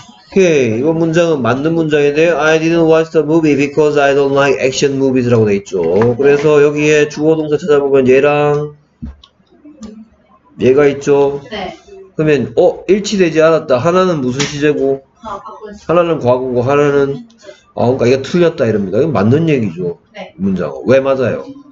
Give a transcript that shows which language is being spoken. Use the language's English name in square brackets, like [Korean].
[Korean] 오케이, 이번 문장은 맞는 문장인데요. [English] I didn't watch the movie because I don't like action movies [Korean] 라고 돼있죠. 그래서 여기에 주어동사 찾아보면 얘랑 얘가 있죠. 네. 그러면 어? 일치되지 않았다. 하나는 무슨 시제고 하나는 과거고 하나는 아, 그러니까 이게 틀렸다 이럽니다. 이건 맞는 얘기죠. 네. 문장은 왜 맞아요?